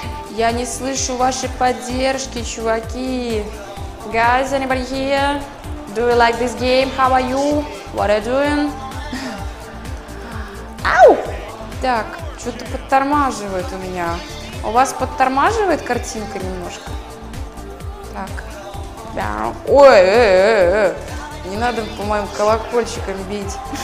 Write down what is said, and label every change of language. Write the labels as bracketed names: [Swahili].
[Russian] Я не слышу вашей поддержки, чуваки. [English] Guys, anybody here? Do you like this game? How are you? What are you doing? Ow! [Russian] так, что-то подтормаживает у меня. У вас подтормаживает картинка немножко? Так. Да. Ой, не надо по моим колокольчикам бить.